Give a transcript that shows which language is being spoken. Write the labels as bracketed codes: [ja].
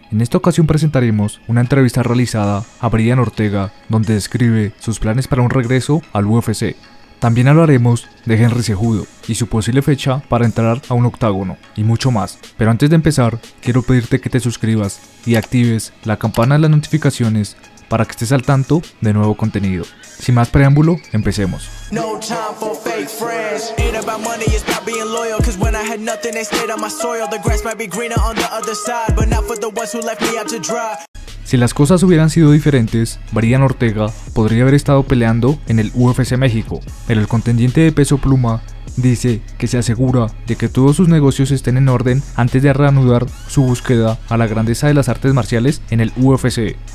[es] En esta ocasión presentaremos una entrevista realizada a Brian Ortega, donde describe sus planes para un regreso al UFC. También hablaremos de Henry Cejudo y su posible fecha para entrar a un octágono y mucho más. Pero antes de empezar, quiero pedirte que te suscribas y actives la campana de las notificaciones para que estés al tanto de nuevo contenido. Sin más preámbulo, empecemos. [en] No time for fake friends. Ain't about money, it's about being loyal. Cause when I had nothing, they stayed on my soil. The grass might be greener on the other side, but not for the ones who left me out to dry. [es] Si las cosas hubieran sido diferentes, Brian Ortega podría haber estado peleando en el UFC México, pero el contendiente de peso pluma dice que se asegura de que todos sus negocios estén en orden antes de reanudar su búsqueda a la grandeza de las artes marciales en el UFC.